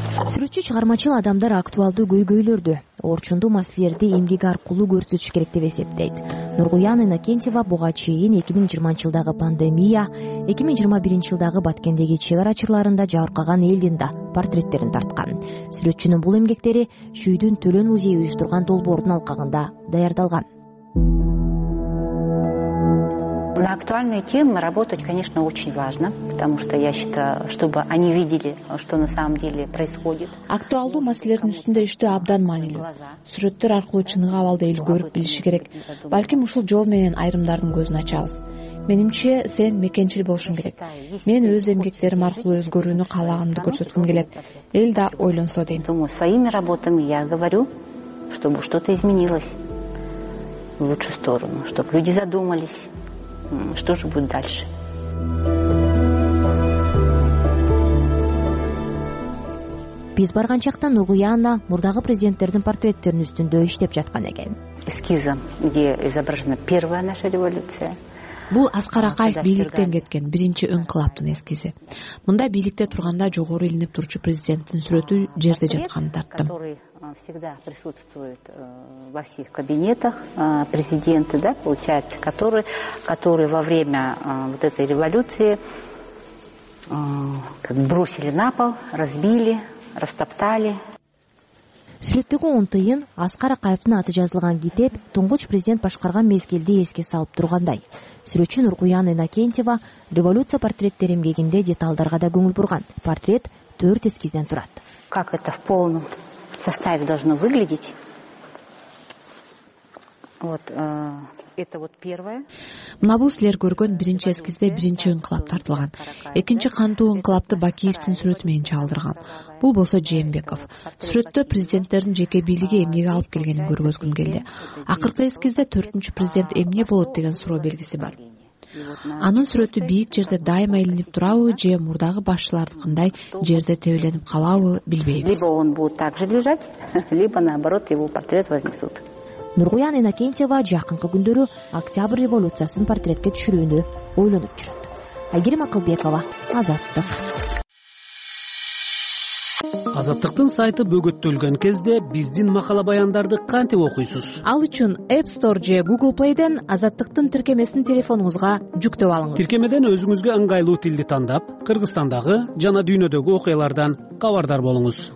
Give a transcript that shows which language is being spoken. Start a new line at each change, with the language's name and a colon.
Kyrgyz: Сүрөтчү чыгармачыл адамдар актуалдуу көйгөйлөрдү, орчунду маселелерди эмгеги аркылуу көрсөтүш керек деп эсептейт. Нургуян Энакентева буга чейин 2020 жылдагы пандемия, 2021 жылдагы Баткендеги чек арачырларында жабыркаган элдин да портреттерин тарткан. Сүрөтчүнүн бул эмгектери Шүйдүн Төлөн музейи уюштурган долбоордун алкагында даярдалган.
Russian: На актуальные темы работать, конечно, очень важно, потому что я считаю, чтобы они видели, что на самом деле происходит.
Kyrgyz: Актуалдуу маселелердин үстүндө иштөө абдан маанилүү. Сүрөттөр аркылуу чыныгы абалды эл көрүп билиши керек. Балким ушул жол менен айрымдардын көзүн ачабыз. Менимче, сен мекенчил болушуң керек. Мен өз эмгектерим аркылуу өзгөрүүнү каалагымды көрсөткүм келет. Эл да ойлонсо дейм.
Russian: Своими работами я говорю, чтобы что-то изменилось в лучшую сторону, чтобы люди задумались. Что же будет дальше?
Kyrgyz: Биз барган чакта Нургуяна мурдагы президенттердин портреттерин үстүндө иштеп жаткан экен.
Russian: Эскизы, где изображена первая наша революция.
Kyrgyz: Бул Аскар Акаев бийликтен кеткен биринчи инкылаптын эскизи. Мында бийликте турганда жогору илинип турчу президенттин сүрөтү жерде жатканын тарттым.
Russian: Всегда присутствует во всех кабинетах президенты, да, получается, которые во время вот этой революции как бросили на пол, разбили, растоптали.
Kyrgyz: Сүрөттөгү онтыйын Аскар Акаевдин аты жазылган китеп туңгуч президент башкарган мезгилди эске салып тургандай. Сүрөтчү Нургуян Энакентева революция портреттер эмгегинде деталдарга да көңүл бурган. Портрет 4 эскизден турат.
Russian: Как это в полном составе должно выглядеть. Вот это вот первое.
Kyrgyz: Мына бул силер көргөн биринчи эскизде биринчи инкылап тартылган. Экинчи кандуу инкылапты Бакиевдин сүрөтү менен чалдырган. Бул болсо Жээнбеков. Сүрөттө президенттердин жеке бийлиги эмнеге алып келгенин көргөзгүм келди. Акыркы эскизде 4-чү президент эмне болот деген суроо белгиси бар. Анын сүрөтү бийик жерде дайыма илинип турабы же мурдагы башчылардыкындай жерде тебеленип калабы билбейбиз.
Russian: Либо он будет так же лежать, либо наоборот его портрет вознесут.
Kyrgyz: Нургуян Энакентева жакынкы күндөрү Октябрь революциясынын портретке түшүрүүнү ойлонуп жүрөт. Айгерим Акылбекова, Азаттык. Азаттыктын сайты бөгөттөлгөн кезде биздин макала баяндарды кантип окуйсуз? Ал үчүн App Store же Google Play'ден Азаттыктын тиркемесин телефонуңузга жүктөп алыңыз. Тиркемеден өзүңүзгө ыңгайлуу тилди тандап, Кыргызстандагы жана дүйнөдөгү окуялардан кабардар болуңуз.